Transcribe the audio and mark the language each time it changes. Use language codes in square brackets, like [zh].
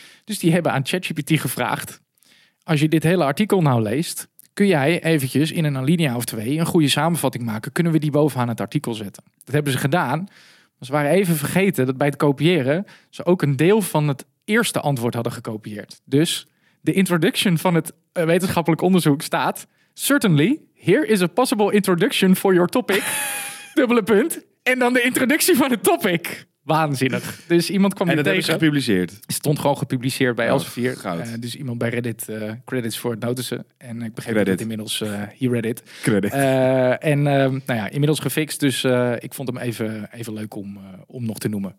[nl] Dus die hebben aan ChatGPT gevraagd... Als je dit hele artikel nou leest, kun jij eventjes in een alinea of twee een goede samenvatting maken. Kunnen we die bovenaan het artikel zetten? Dat hebben ze gedaan. Maar ze waren even vergeten dat bij het kopiëren ze ook een deel van het eerste antwoord hadden gekopieerd. Dus de introduction van het wetenschappelijk onderzoek staat... [en] Certainly, here is a possible introduction for your topic. [nl] Dubbele punt. En dan de introductie van het topic. Waanzinnig. Dus iemand kwam en dat hebben ze gepubliceerd. Stond gewoon gepubliceerd bij Elsevier. Goud. Dus iemand bij Reddit credits voor het notissen. En ik begreep dat inmiddels hier Reddit. Credit. Nou ja, inmiddels gefixt. Dus ik vond hem even leuk om nog te noemen.